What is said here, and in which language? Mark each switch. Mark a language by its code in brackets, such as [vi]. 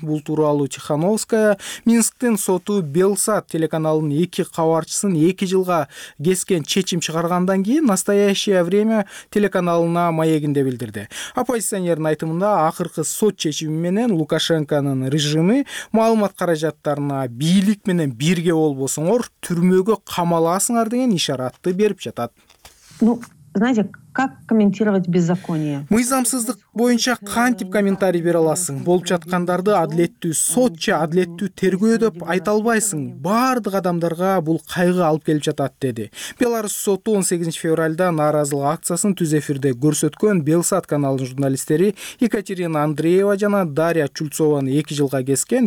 [ky] Бул тууралуу Тихановская Минсктин соту Белсат телеканалынын 2 кабарчысын 2 жылга кескен чечим чыгаргандан кийин Настоящее время телеканалына маегинде билдирди. Оппозиционердин айтымында акыркы сот чечими менен Лукашенконун режими маалымат каражаттарына бийлик менен бирге болбосоңор түрмөгө камаласыңар деген ишаратты берип жатат. [ru] Ну, знаете, как комментировать беззаконие? [ky] Мыйзамсыздык боюнча кантип комментарий бере аласың? Болуп жаткандарды адилеттүү сотча, адилеттүү тергөө деп айта албайсың. Бардык адамдарга бул кайгы алып келип жатат, деди. Беларусь соту 18 февральда нааразылык акциясын түз эфирде көрсөткөн Белсат каналынын журналисттери Екатерина Андреева жана Дарья Чульцованы 2 жылга кескен.